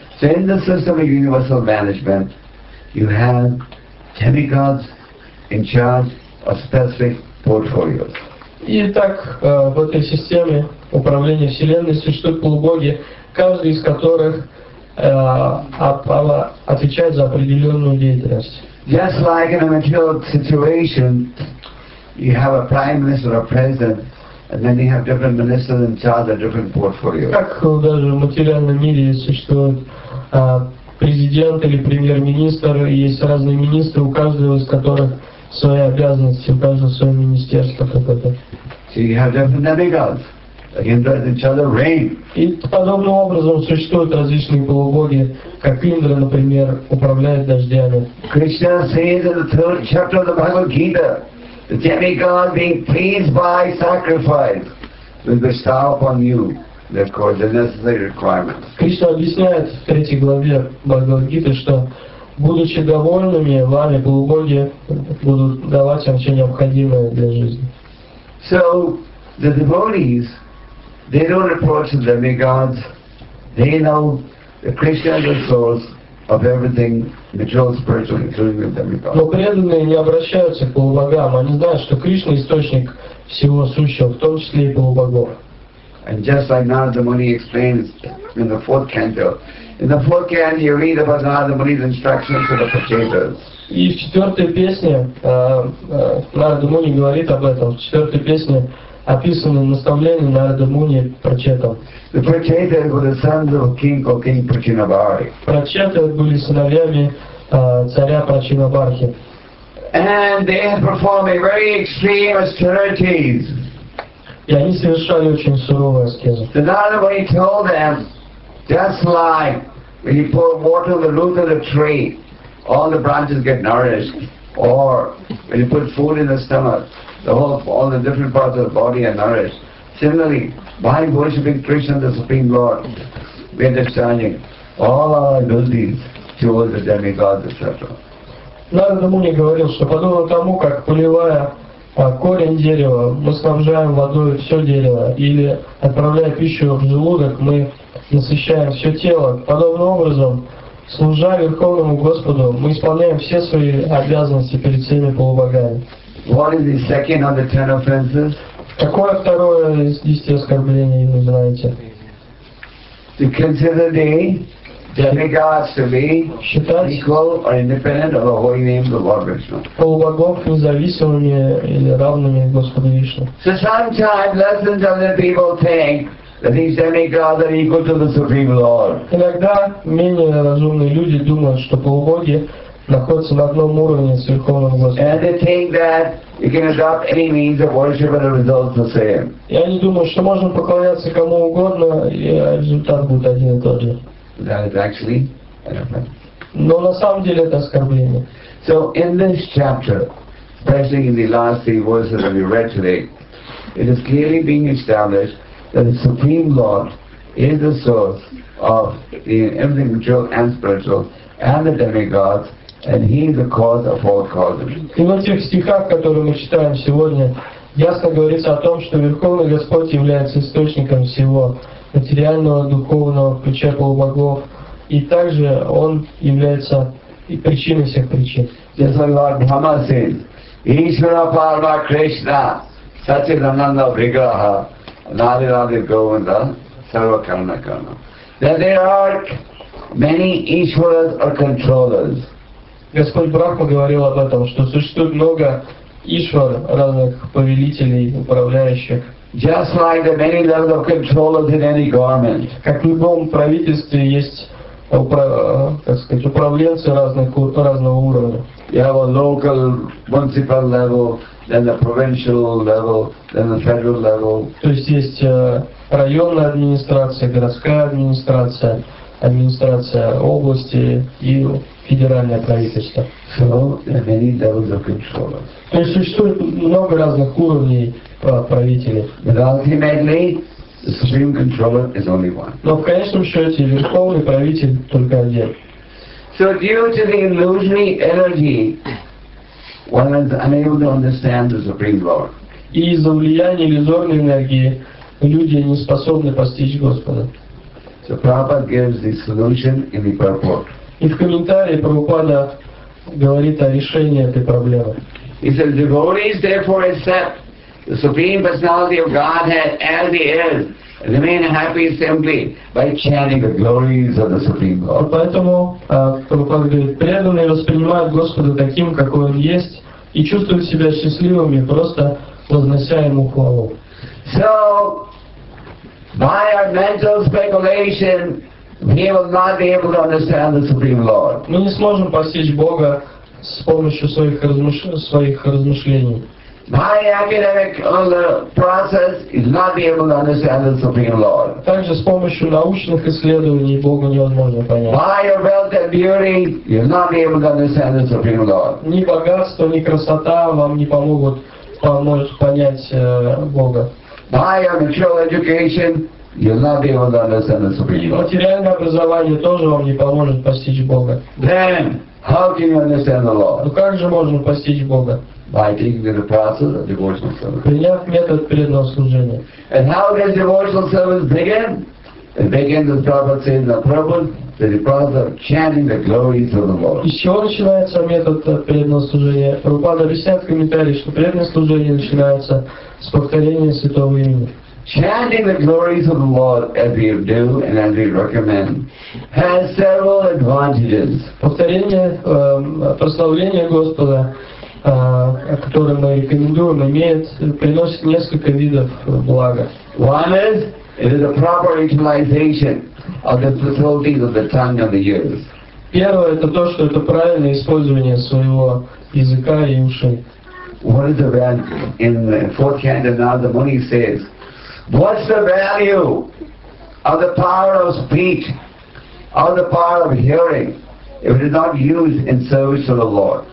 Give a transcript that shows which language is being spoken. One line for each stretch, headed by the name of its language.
English: So in the system of universal management, you have demigods in charge of specific portfolios.
Russian: Итак, в этой системе управления Вселенной существуют полубоги, каждый из которых отвечает за определенную деятельность.
English: Just like in a material situation, you have a prime minister or president, and then you have different ministers in charge of different portfolios.
Russian: Как даже в материальном мире существует президент или премьер-министр, и есть разные министры, у каждого из которых свои обязанности, у каждого свое министерство какое-то.
English: So you have different demigods.
Russian: И подобным образом существуют различные полубоги, как Индра, например, управляет дождями.
English: Krishna says in the third chapter of the Bhagavad Gita, the demigods being pleased by sacrifice will bestow upon you the necessary requirements.
Russian: Krishna объясняет в третьей главе Бхагавад Гиты, что будучи довольными вами, полубоги будут давать вам все необходимое для жизни.
English: So the devotees, they don't approach the demigods. They know that Krishna is the source of everything material, spiritual, including the demigods.
Russian: Но преданные не обращаются к полубогам. Они знают, что Кришна источник всего сущего, в том числе и полубогов.
English: And just like Narada Muni explains in the fourth canto, in the fourth canto you read about Narada Muni's instructions to the potatoes.
Russian: И в четвертой песне Нарада Муни говорит об этом. В четвертой песне описанное наставление Нарада Муни прочитал.
English: The Prachetas were the sons of King called King Prachinabhari.
Russian: Прочитал были сыновьями царя Прачинабархи.
English: And they had performed a very extreme austerities.
Russian: И они совершали очень суровые аскезы.
English: The Nārada Muni told them, just like when you pour water on the root of the tree, all the branches get nourished. Or when you put food in the stomach, all the different parts of the body are nourished. Similarly, by worshipping Krishna, the Supreme Lord, we are discharging all our abilities towards the demigods, etc.
Russian: Narada Muni говорил, что подобно тому, как поливая корень дерева, мы снабжаем водой все дерево, или отправляя пищу в желудок, мы насыщаем все тело. Подобным образом, служа Верховному Господу, мы исполняем все свои обязанности перед всеми полубогами.
English: What is the second of the ten offenses?
Russian: Какое второе из десяти оскорблений вы знаете?
English: To consider the demigods to be
Russian: считать
English: equal or independent of the holy name of the Lord Krishna.
Russian: Полубогов независимыми или равными Господу Вишну. So sometimes less than other people think that these demigods are equal to the Supreme Lord. Иногда менее разумные люди думают, что полубоги находится на одном уровне с Верховным Господом. И они думают, что можно поклоняться кому угодно, и результат будет один и тот же.
English: That is actually an offense.
Russian: Но на самом деле это оскорбление.
English: So in this chapter, especially in the last three verses that we read today, it is clearly being established that the Supreme Lord is the source of everything material and spiritual and the demigods. And he is the cause of all causes.
Russian: И в этих стихах, которые мы читаем сегодня, ясно говорится о том, что Верховный Господь является источником всего материального, духовного, включая полубогов, и также он является и причиной всех причин.
English: Just like Lord Brahma says, Ishvara Parma Krishna, Satchidananda Vigraha, Nadirada Govinda, Sarva Karana Karana. That there are many Ishvaras or controllers.
Russian: Господь Брахма говорил об этом, что существует много ишвар, разных повелителей, управляющих.
English: Just like the many levels of controllers in any garment.
Russian: Как в любом правительстве есть управленцы разных, разного уровня.
English: You have a local, municipal level, then the provincial level, then the federal level.
Russian: То есть есть районная администрация, городская администрация, администрация области и федеральное правительство.
English: So there are many levels of controllers.
Russian: То есть существует много разных уровней правителей.
English: But ultimately, the supreme controller is only one.
Russian: Но в конечном счете верховный правитель только один.
English: So due to the illusory energy, one is unable to understand the supreme Lord.
Russian: И из-за влияния иллюзорной энергии люди не способны постичь Господа.
English: So Prabhupada gives the solution in the purport.
Russian: И в комментарии Прабхупада говорит о решении этой проблемы.
English: He says devotees therefore accept the supreme personality of Godhead as He is, and remain happy simply by chanting the glories of the supreme Lord.
Russian: Поэтому Прабхупада говорит, преданные воспринимают Господа таким, какой Он есть, и чувствуют себя счастливыми просто вознося Ему хвалу.
English: So by our mental speculation, we will not be able to understand the supreme Lord.
Russian: Мы не сможем постичь Бога с помощью своих размышлений.
English: My academic process is not be able to understand the supreme Lord.
Russian: Также с помощью научных исследований Бога невозможно понять.
English: By your wealth and beauty, you will not be able to understand the supreme Lord.
Russian: Ни богатство, ни красота вам не помогут понять Бога.
English: By your material education, you will not be able to understand the supreme Lord.
Russian: Материальное образование тоже вам не поможет постичь Бога.
English: Then, how can you understand the Lord?
Russian: Ну как же можно постичь Бога?
English: By taking the process of devotional service.
Russian: Приняв метод преданного служения.
English: And how does devotional service begin? It begins, as Prabhupada says in the purport, that the process of chanting the glories of the Lord.
Russian: Из чего начинается метод преданного служения? Прабхупада объясняет в комментарии, что преданное служение начинается с повторения святого имени.
English: Chanting the glories of the Lord, as we do and as we recommend, has several advantages.
Russian: Повторение прославления Господа, который мы рекомендуем, приносит несколько видов блага.
English: One is, it is a proper utilization of the facilities of the tongue and the ears.
Russian: Первое, это то, что это правильное использование своего языка и ушей.
English: What is the value? In the fourth canto, Narada Muni says, what's the value of the power of speech, of the power of hearing, if it is not used in service to the Lord?